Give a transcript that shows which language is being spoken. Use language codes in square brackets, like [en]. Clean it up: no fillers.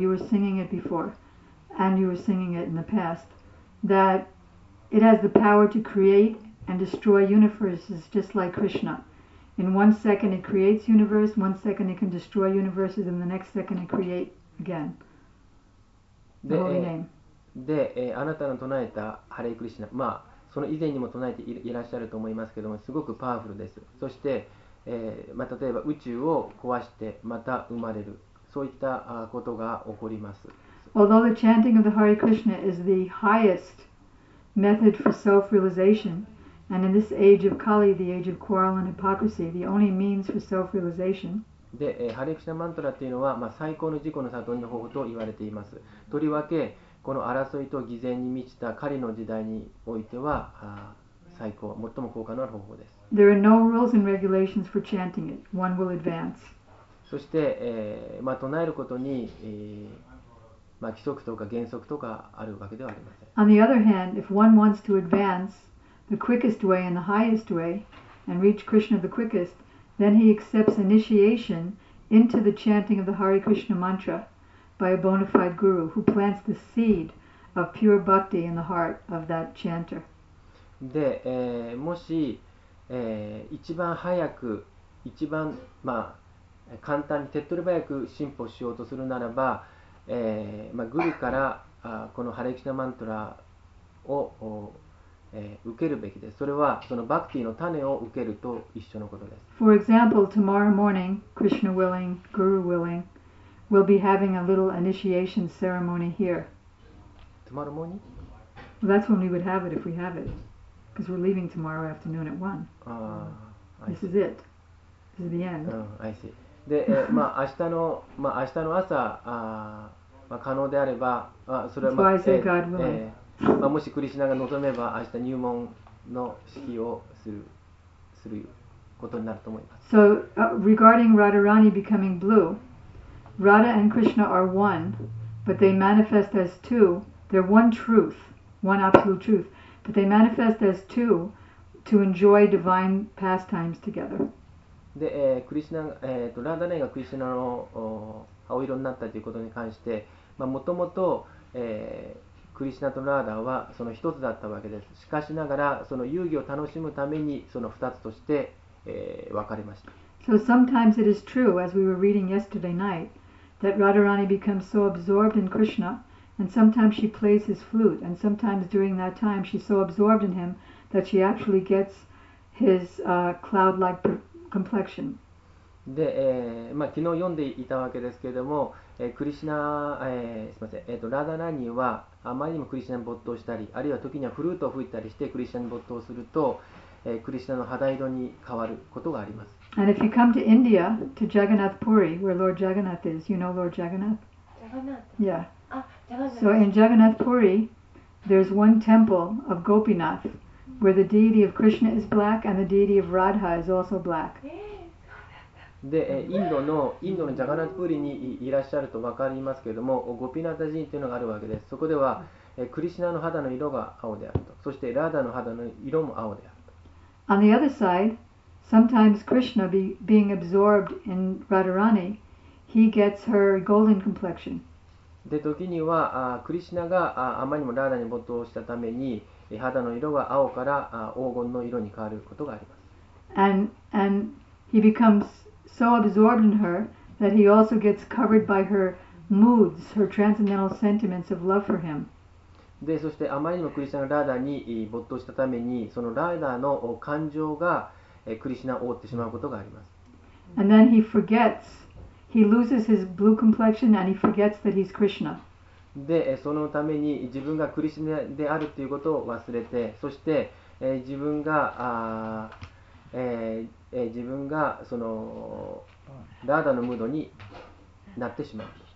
[en] You were singing it before, and you were singing it in the past. That it has the power to create and destroy universes, just like Krishna. In one second it creates universe, one second it can destroy universes, and the next second it creates. Again. The holy name. [ja] で、あなたの唱えたハレクリシナ、まあ、その以前にも唱えて いらっしゃると思いますけども、すごくパワフルです。そして、まあ、例えば宇宙を壊してまた生まれる、そういったことが起こります。 [en] Although the chanting of the Hare Krishna is the highest method for self-realization, and in this age of Kali, the age of quarrel and hypocrisy, the only means for self-realization, [ja] で、ハレクシナマントラというのは、まあ、最高の自己の悟りの方法と言われています。とりわけこの争いと偽善に満ちた狩りの時代においては最高、最も効果のある方法です。 [en] There are no rules and regulations for chanting it. One will advance. [ja] そして、まあ、唱えることに、まあ、規則とか原則とかあるわけではありません。 [en] On the other hand, if one wants to advance the quickest way and the highest way and reach Krishna the quickest,Then he accepts initiation into the chanting of the Hare Krishna mantra, by a bona fide guru who plants the seed of pure bhakti in the heart of that chanter. [ja] で、もし、一番早く、一番、まあ、簡単に手っ取り早く進歩しようとするならば、まあ、グルからこのハレクシナマントラを、受けるべきです。それはそのバクティの種を受けると一緒のことです。 [en] For example, tomorrow morning, Krishna willing, Guru willing, will be having a little initiation ceremony here. Tomorrow morning? Well, that's when we would have it if we have it. Because we're leaving tomorrow afternoon at 1. This is it. This is the end. I see. [ja] で、まあ明日の、まあ明日の朝、まあ、可能であれば、あ、それは、 [en] That's why I say God willing. [ja] まあ、もしクリシナが望めば明日入門の式をすることになると思います。 [en] So, regarding Radharani becoming blue, Radha and Krishna are one, but they manifest as two. They're one truth, one absolute truth, but they manifest as two to enjoy divine pastimes together. [ja] で、クリシナ、ラダネがクリシナの青色になったということに関して、まあ、もともと、クリシナとラーダはその一つだったわけです。しかしながら、その遊戯を楽しむためにその二つとして、分かれました。 [en] So sometimes it is true, as we were reading yesterday night, that Radharani becomes so absorbed in Krishna, and sometimes she plays his flute, and sometimes during that time she's so absorbed in him that she actually gets his cloud-like complexion. [ja] で、まあ、昨日読んでいたわけですけれども、クリシナ、すみません、ラダラニーはあまりにもクリシナに没頭したり、あるいは時にはフルートを吹いたりしてクリシナに没頭すると、クリシナの肌色に変わることがあります。 [en] And if you come to India, to Jagannath Puri, where Lord Jagannath is, you know Lord Jagannath? Jagannath? Yeah. Jagannath. So in Jagannath Puri, there's one temple of Gopinath, where the deity of Krishna is black and the deity of Radha is also black. [ja] で、インドのジャガナプーリにいらっしゃると分かりますけれども、ゴピナタ寺院というのがあるわけです。そこでは、クリシナの肌の色が青であると。そしてラダの肌の色も青であると。 [en] On the other side, sometimes Krishna being absorbed in Radharani, he gets her golden complexion. [ja] で、時にはクリシナがあまりにもラダに没頭したために、肌の色が青から黄金の色に変わることがあります。 [en] And he becomesSo absorbed in her that he also gets covered by her moods, her transcendental sentiments of love for him. [ja] で、そしてあまりにもクリシナがラーダに没頭したために、そのラーダの感情がクリシナを覆ってしまうことがあります。 [en] And then he forgets, he loses his blue complexion and he forgets that he's Krishna. [ja] で、そのために自分がクリシナであるということを忘れて、そして自分が自分がそのラーダのムードになってしまう。